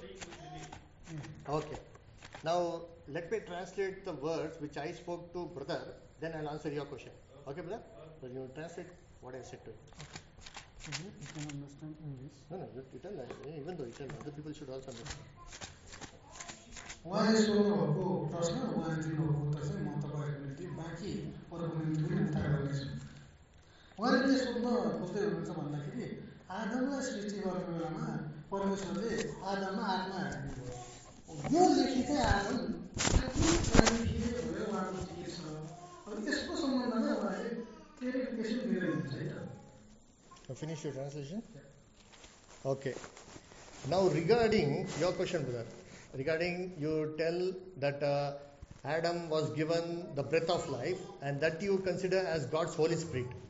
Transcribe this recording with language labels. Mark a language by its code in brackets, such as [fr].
[en] Okay. Now, let me translate the words which I spoke to brother, then I'll answer your question. Okay, brother? But you translate what I said to him. You can understand English. No, no, you tell that. Even though you tell, other people should also understand. [ne] उहाँले सोध्नु भएको प्रश्न उहाँले दिनुभएको उत्तर चाहिँ म तपाईँको निम्ति बाँकी अरूको निम्ति पनि उत्तर गर्नेछु. उहाँले के सोध्नु खोज्दै हुनुहुन्छ भन्दाखेरि आदमलाई सृष्टि गर्ने बेलामा परमेश्वरले आदममा आत्मा हालिदिनुभयो. योदेखि चाहिँ आदम उहाँको के छ अनि त्यसको सम्बन्धमा उहाँले क्लेरिफिकेसन दिइरहनुहुन्छ है त. [en] Finish your translation. Okay. Now regarding your question, brother, regarding you tell that Adam was given the breath of life and that you consider as God's Holy Spirit.